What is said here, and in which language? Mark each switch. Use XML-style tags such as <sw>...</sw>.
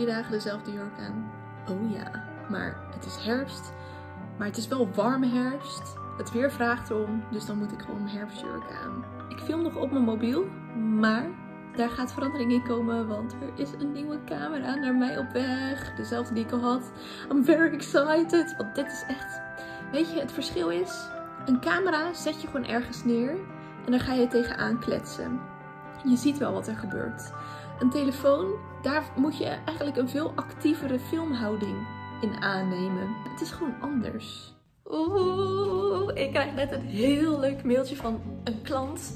<nl>Dezelfde jurk aan. Oh ja, maar het is herfst. Maar het is wel warme herfst. Het weer vraagt erom, dus dan moet ik gewoon een herfstjurk aan. Ik film nog op mijn mobiel, maar daar gaat verandering in komen, want er is een nieuwe camera naar mij op weg. Dezelfde die ik al had.</nl> <en>I'm very excited,</en> <nl>want dit is echt... Weet je, het verschil is, een camera zet je gewoon ergens neer en dan ga je tegenaan kletsen. Je ziet wel wat er gebeurt. Een telefoon, daar moet je eigenlijk een veel actievere filmhouding in aannemen. Het is gewoon anders. Oeh, ik krijg net een heel leuk mailtje van een klant.</nl>